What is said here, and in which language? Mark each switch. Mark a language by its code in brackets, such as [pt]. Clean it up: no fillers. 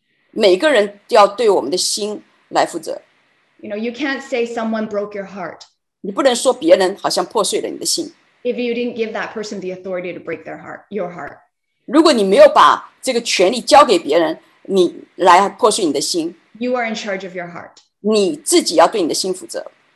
[zh] 每个人要对我们的心来负责。 [en] You know, you can't say someone broke your heart. [zh] 你不能说别人好像破碎了你的心。 [en] If you didn't give that person the authority to break their heart, your heart. [zh] 如果你没有把这个权利交给别人，你来破碎你的心。 [en] You are in charge of your heart. [zh] 你自己要对你的心负责。